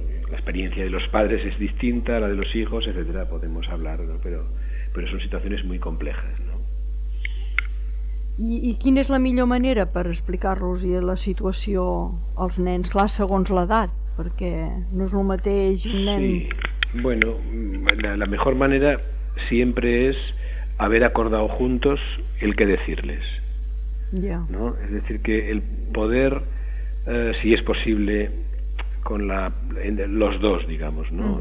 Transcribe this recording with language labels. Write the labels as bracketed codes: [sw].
[es] La experiencia de los padres es distinta a la de los hijos, etcétera, podemos hablar, ¿no? pero son situaciones muy complejas, ¿no? [ca] I quina és la millor manera per explicar-los la situació als nens, clar, segons l'edat, perquè no és el mateix un nen... [es] Sí, bueno, la mejor manera siempre es haber acordado juntos el que decirles. Ya. [en] Yeah. [es] ¿No? Es decir, que el poder, si es posible, los dos, digamos, ¿no?